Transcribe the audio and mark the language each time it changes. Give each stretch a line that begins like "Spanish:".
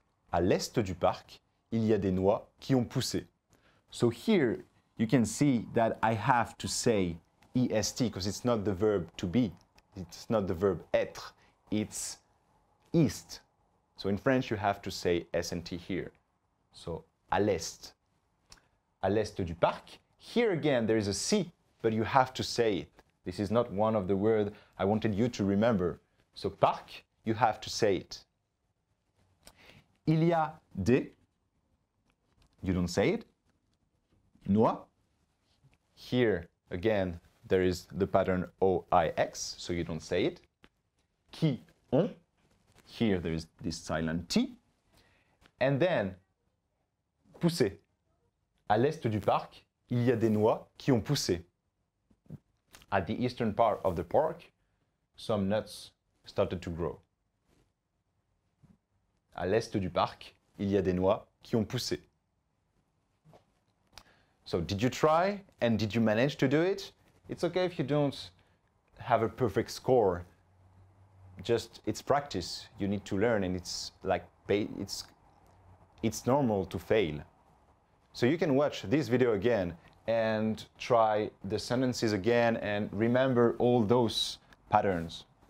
French: À l'est du parc, il y a des noix qui ont poussé.
English: So here, you can see that I have to say EST, because it's not the verb to be. It's not the verb être. It's east. So in French, you have to say S&T here. So,
French: à l'est. À l'est du parc.
English: Here again, there is a C, but you have to say it. This is not one of the words I wanted you to remember. So, parc, you have to say it.
French: Il y a des,
English: you don't say it. Noix. Here, again, there is the pattern O-I-X, so you don't say it. Qui ont. Here, there is this silent T. And then, pousser.
French: À l'est du parc, il y a des noix qui ont poussé.
English: At the eastern part of the park, some nuts started to grow.
French: À l'est du parc, il y a des noix qui ont poussé.
English: So, did you try and did you manage to do it? It's okay if you don't have a perfect score. Just, it's practice. You need to learn and it's like, it's normal to fail. So you can watch this video again and try the sentences again and remember all those patterns.